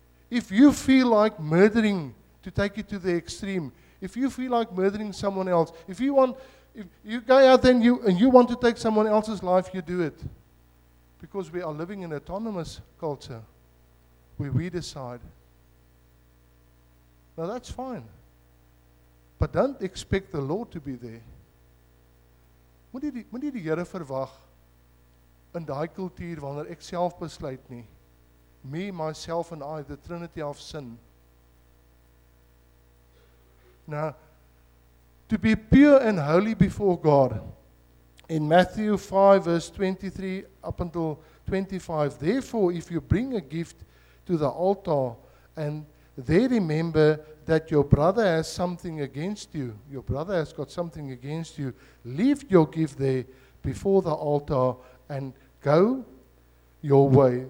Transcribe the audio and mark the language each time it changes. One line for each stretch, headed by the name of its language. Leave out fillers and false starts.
English: If you feel like murdering, to take it to the extreme, if you feel like murdering someone else, if you go out there and you want to take someone else's life, you do it. Because we are living in an autonomous culture where we decide. Now that's fine. But don't expect the Lord to be there.
Afrikaans: Moet nie die Here verwag in daai kultuur wanneer ek self besluit nie.
English: Me, myself and I, the trinity of sin. Now, to be pure and holy before God, in Matthew 5 verse 23 up until 25, therefore if you bring a gift to the altar and there remember that your brother has something against you, your brother has got something against you, leave your gift there before the altar and go your way.